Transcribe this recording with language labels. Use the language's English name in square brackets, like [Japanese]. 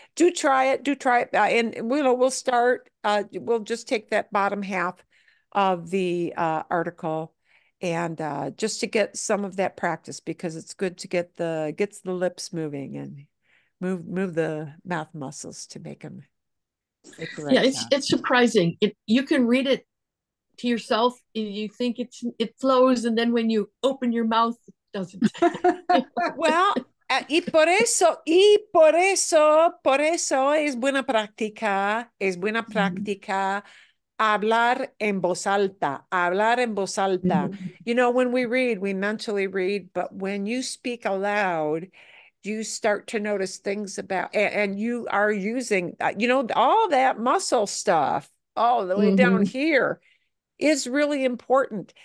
[English] Do try it. Do try it. And we'll start. We'll just take that bottom half of the article and just to get some of that practice, because it's good to gets the lips moving and move the mouth muscles to make them. It's surprising. You can read it to yourself, you think it flows, and then when you open your mouth, it doesn't. [Spanish] Well, y por eso es buena práctica hablar en voz alta. [English] You know, when we mentally read, but when you speak aloud, you start to notice things about, and you are using, all that muscle stuff all the way down here is really important.